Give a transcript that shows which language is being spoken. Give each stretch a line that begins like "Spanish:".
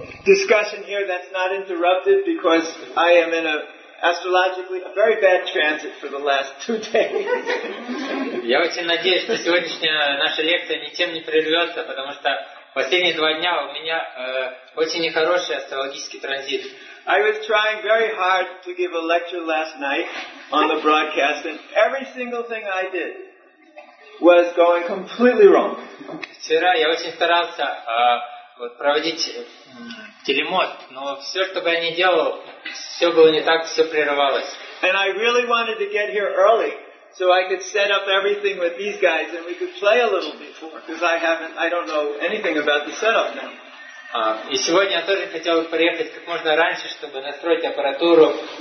English: discussion here that's not interrupted because I am in astrologically a very bad transit for the last 2 days.
Russian: Я очень надеюсь, что сегодняшняя наша лекция ничем не прервется, потому что последние 2 дня у меня очень нехороший астрологический транзит.
English: I was trying very hard to give a lecture last night on the broadcast, and every single thing I did was going completely wrong.
Russian: Вчера я очень старался проводить телемост, но все, что бы я ни делал, все было не так, все прерывалось.
English: And I really wanted to get here early, so I could set up everything with these guys, and we could play a little before, because I don't know anything about the setup now.
Russian: И сегодня я тоже хотел бы приехать как можно раньше, чтобы настроить аппаратуру.